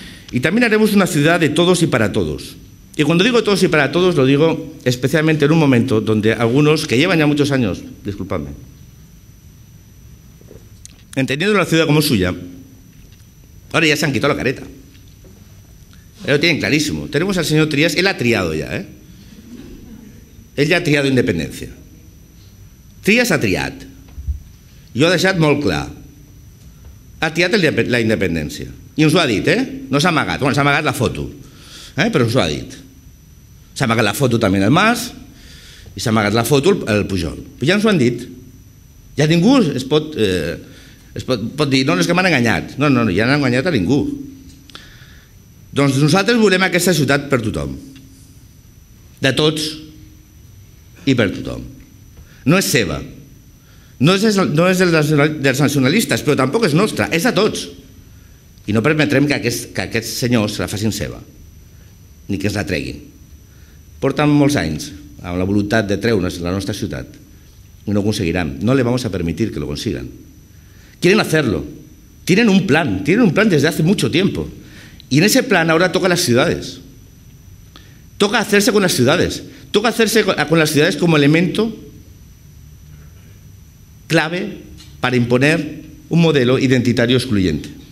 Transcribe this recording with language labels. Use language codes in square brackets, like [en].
[es] Y también haremos una ciudad de todos y para todos. Y cuando digo todos y para todos, lo digo especialmente en un momento donde algunos que llevan ya muchos años, disculpadme, entendiendo la ciudad como suya, ahora ya se han quitado la careta. Lo tienen clarísimo. Tenemos al señor Trias, él ha triado ya, ¿eh? Él ya ha triado independencia. [ca] Trias ha triat. Jo he deixat molt clar. Ha triat la independència. I ens ho ha dit, ¿eh? No s'ha amagat. Bueno, s'ha amagat la foto. Però ens ho ha dit. S'ha amagat la foto també el Mas i s'ha amagat la foto el Pujol. Però ja ens ho han dit. Ja ningú es pot dir, no, és que m'han enganyat. No, ja no han enganyat a ningú. Doncs nosaltres volem aquesta ciutat per tothom. De tots i per tothom. No és seva. No és dels nacionalistes, però tampoc és nostra. És de tots. I no permetrem que aquests senyors la facin seva. Ni que ens la treguin. Porten molts anys amb la voluntat de treure's la nostra ciutat i no ho aconseguiran. [es] No li vamos a permitir que lo consigan. Quieren hacerlo. Tienen un plan desde hace mucho tiempo. Y en ese plan ahora toca las ciudades. Toca hacerse con las ciudades. Toca hacerse con las ciudades como elemento clave para imponer un modelo identitario excluyente.